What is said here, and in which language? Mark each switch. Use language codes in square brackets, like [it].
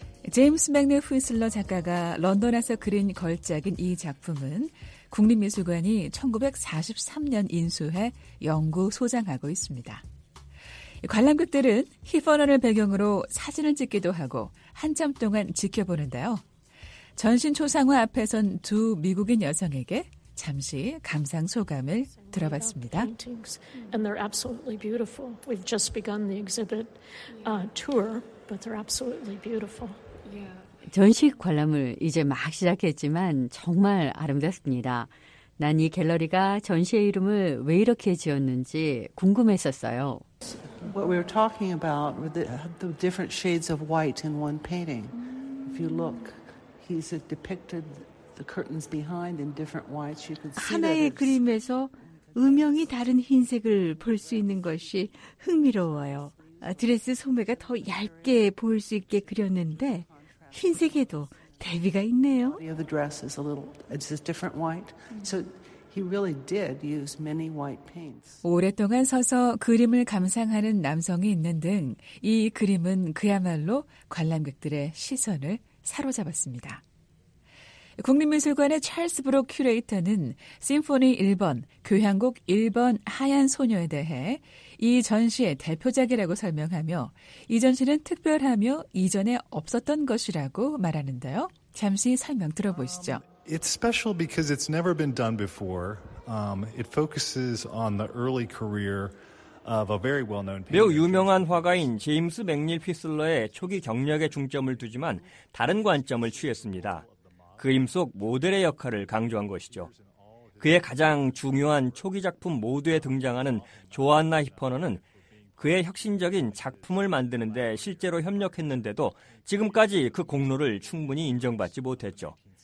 [ko] 제임스 맥닐 휘슬러 작가가 런던에서 그린 걸작인 이 작품은 국립미술관이 1943년 인수해 영구 소장하고 있습니다. 관람객들은 히퍼넌을 배경으로 사진을 찍기도 하고 한참 동안 지켜보는데요. 전신 초상화 앞에 선 두 미국인 여성에게 잠시 감상 소감을 들어봤습니다. [en] And they're absolutely beautiful. We've just begun the exhibit tour, but they're absolutely beautiful. [ko] 전시 관람을 이제 막 시작했지만 정말 아름답습니다. 난 이 갤러리가 전시의 이름을 왜 이렇게 지었는지 궁금했었어요. [en] What we were talking about were the different shades of white in one painting. If you look, he's depicted the curtains behind in different whites. You can see [ko] 하나의 그림에서 음영이 다른 흰색을 볼 수 있는 것이 흥미로워요. 드레스 소매가 더 얇게 보일 수 있게 그렸는데 흰색에도 대비가 있네요. [en] The dress is a little, it's a different white. So he really did use many white paints. [ko] 오랫동안 서서 그림을 감상하는 남성이 있는 등 이 그림은 그야말로 관람객들의 시선을 사로잡았습니다. 국립미술관의 찰스 브록 큐레이터는 심포니 1번, 교향곡 1번 하얀 소녀에 대해 이 전시의 대표작이라고 설명하며 이 전시는 특별하며 이전에 없었던 것이라고 말하는데요. 잠시 설명 들어보시죠. [en] It's special because it's never been done before. It focuses on the early career of a very well-known painter. [ko] 매우 유명한 화가인 제임스 맥닐 휘슬러의 초기 경력에 중점을 두지만 다른 관점을 취했습니다. 그림 속 모델의 역할을 강조한 것이죠. 그의 가장 중요한 초기 작품 모두에 등장하는 조안나 히퍼넌은 그의 혁신적인 작품을 만드는데 실제로 협력했는데도 지금까지 그 공로를 충분히 인정받지 못했죠.